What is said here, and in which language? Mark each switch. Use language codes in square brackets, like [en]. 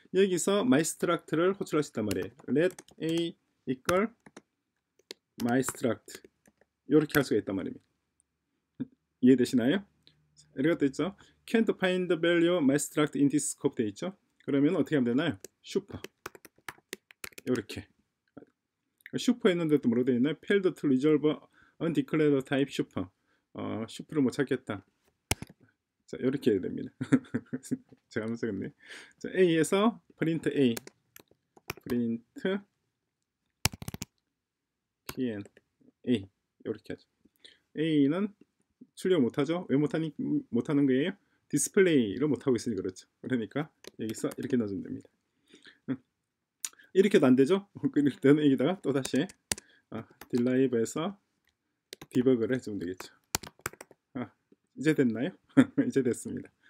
[ko] 여기서 MyStruct를 호출할 수 있단 말이에요. [en] Let A equal MyStruct. [ko] 이렇게 할 수가 있단 말입니다. 이해되시나요? 이렇게 돼 있죠. [en] Can't find the value my struct in this scope [ko] 돼 있죠. 그러면 어떻게 하면 되나요? 슈퍼 이렇게 슈퍼 했는데도 뭐라고 돼 있나요? [en] Failed to resolve undeclared type 슈퍼. [ko] 슈퍼를 못 찾겠다. 자, 이렇게 해야 됩니다. 제가 한번 써겠네. 자, A에서 print A, print pn A 이렇게 하죠. A는 출력 못하죠? 왜 못하는 거예요? 디스플레이를 못하고 있으니 그렇죠. 그러니까 여기서 이렇게 넣어주면 됩니다. 이렇게도 안 되죠? 그럴 때는 여기다가 또 다시 딜라이브에서 디버그를 해주면 되겠죠. 이제 됐나요? 이제 됐습니다.